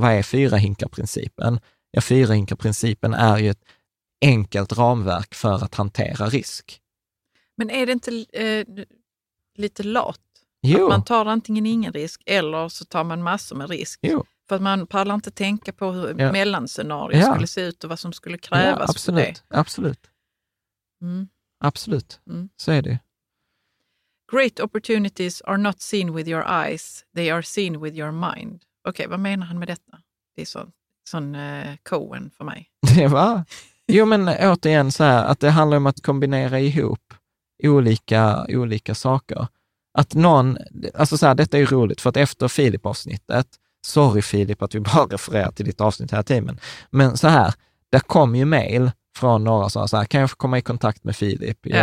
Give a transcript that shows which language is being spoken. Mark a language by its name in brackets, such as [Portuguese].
[Swedish] Vad är fyra hinkar-principen? Ja, fyra hinkar-principen är ju enkelt ramverk för att hantera risk. Men är det inte lite lat? Jo. Att man tar antingen ingen risk eller så tar man massor med risk. Jo. För att man pallar inte tänka på hur mellanscenariot skulle se ut och vad som skulle krävas för det. Absolut. Mm. Absolut. Mm. Så är det. [English] Great opportunities are not seen with your eyes. They are seen with your mind. [Swedish] Okej, vad menar han med detta? Det är sån Cohen för mig. Det var... Jo, men återigen så här, att det handlar om att kombinera ihop olika saker. Att någon, alltså så här, detta är ju roligt, för att efter Filip-avsnittet sorry Filip att vi bara refererar till ditt avsnitt hela tiden. Men så här, det kom ju mejl från några som sa, kan jag få komma i kontakt med Filip?